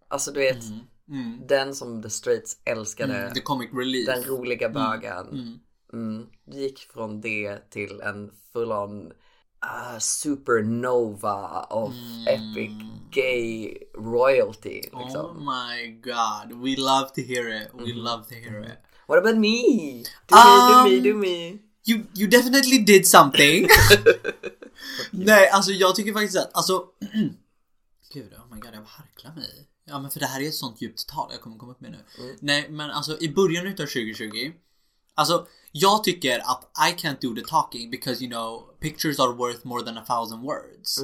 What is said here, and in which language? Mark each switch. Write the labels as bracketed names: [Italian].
[Swedish] Alltså du vet, den som [English] the straights [Swedish] älskade. [English] The comic relief. [Swedish] Den roliga bögen. Mm. Du gick från det till en [English] full on supernova of epic gay royalty liksom. Oh my god, we love to hear it. We love to hear it. What about me? Do me. You definitely did something. [Swedish] Nej, alltså jag tycker faktiskt att alltså gud, [English] oh my god, [Swedish] jag harklar mig. Ja, men för det här är ett sånt djupt tal jag kommer komma upp med nu. Nej, men alltså i början utav 2020, alltså jag tycker att [English] I can't do the talking because you know pictures are worth more than 1,000 words.